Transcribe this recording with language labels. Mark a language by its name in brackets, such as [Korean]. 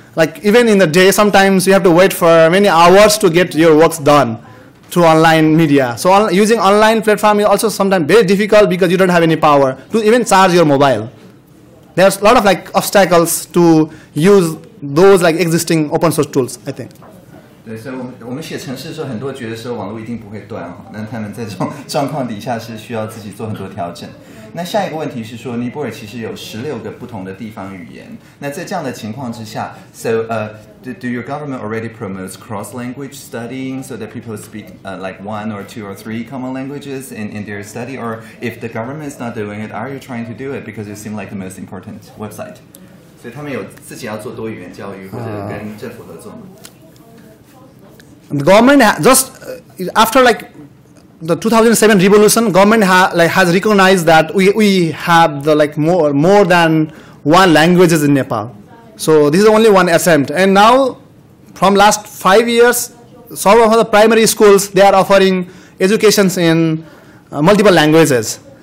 [English] Like even in the day, sometimes you have to wait for many hours to get your works done through online media. So using online platform is also sometimes very difficult because you don't have any power to even charge your mobile. There's a lot of like obstacles to use those like existing open source tools, I think. [Chinese] 对，所以我们写程式的时候，很多觉得说网络一定不会断哈，那他们在这种状况底下是需要自己做很多调整。那下一个问题是说，尼泊尔其实有16个不同的地方语言。那在这样的情况之下 [English] ，so do your government already promotes cross language studying so that people speak like one or two or three common languages in their study, or if the government is not doing it, are you trying to do it because it seems like the most important website? [Chinese] 所以他们有自己要做多语言教育或者跟政府合作吗？ [English] The government just after like the 2007 revolution, government has recognized that we have the like more than one languages in Nepal. So this is only one attempt. And now, from last 5 years, some of the primary schools they are offering educations in multiple languages.